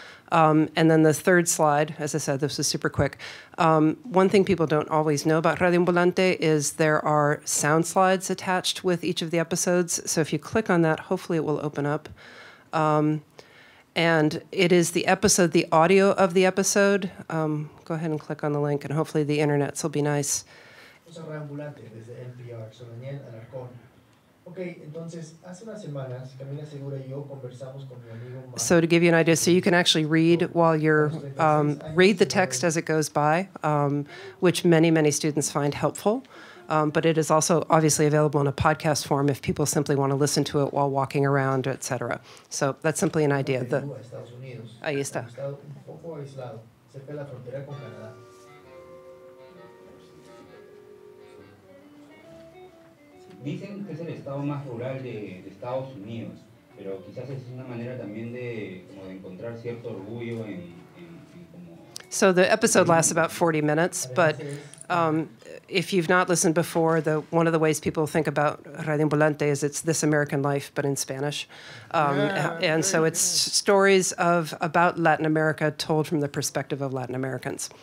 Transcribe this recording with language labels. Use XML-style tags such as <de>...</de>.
<en>And then the third slide, as I said, this was super quick. One thing people don't always know about Radio Ambulante is there are sound slides attached with each of the episodes. So if you click on that, hopefully it will open up. And it is the episode, the audio of the episode. Go ahead and click on the link, and hopefully the internets will be nice.</en> <es>Radio Ambulante, desde NPR, soy Daniel Alarcón. Okay, entonces, hace unas semanas, Camila Segura y yo conversamos con mi amigo Mar.</es> <en>So to give you an idea, so you can actually read while you're, read the text as it goes by, which many, many students find helpful. But it is also obviously available in a podcast form if people simply want to listen to it while walking around, et cetera. So that's simply an idea.</en> <es>Estados Unidos. Ahí está. Un poco aislado, cerca de la frontera con Canadá. Dicen que es el estado más rural de Estados Unidos, pero quizás es una manera también de, como de encontrar cierto orgullo en...</es> <en>So the episode lasts about 40 minutes, but if you've not listened before, one of the ways people think about Radio Ambulante is it's This American Life, but in Spanish. And so it's stories about Latin America told from the perspective of Latin Americans.</en>